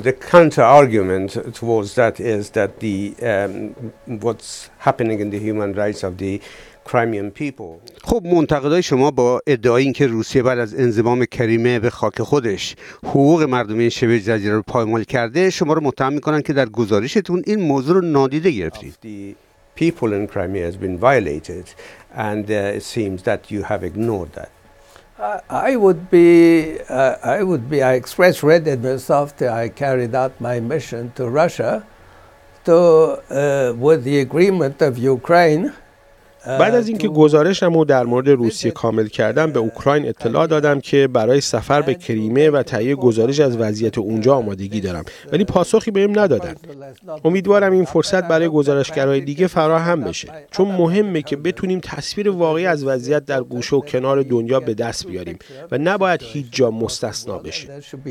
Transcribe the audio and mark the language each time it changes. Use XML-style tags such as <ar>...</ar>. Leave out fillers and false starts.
<en>the counter argument towards that is that the what's happening in the human rights of the Crimean people.</en> <fa>خب منتقدای شما با ادعای اینکه روسیه بعد از انضمام کریمه به خاک خودش حقوق مردم این شبه جزیره رو پایمال کرده، شما رو متهم می‌کنن که در گزارشتون این موضوع رو نادیده گرفتید.</fa> <en>The people in Crimea has been violated and it seems that you have ignored that. I express readiness after I carried out my mission to Russia with the agreement of Ukraine.</en> <fa>بعد از اینکه گزارشم رو در مورد روسیه کامل کردم، به اوکراین اطلاع دادم که برای سفر به کریمه و تهیه گزارش از وضعیت اونجا آمادگی دارم، ولی پاسخی بهم ندادن. امیدوارم این فرصت برای گزارشگرهای دیگه فراهم بشه، چون مهمه که بتونیم تصویر واقعی از وضعیت در گوشه و کنار دنیا به دست بیاریم و نباید هیچ جا مستثنا بشه.</fa>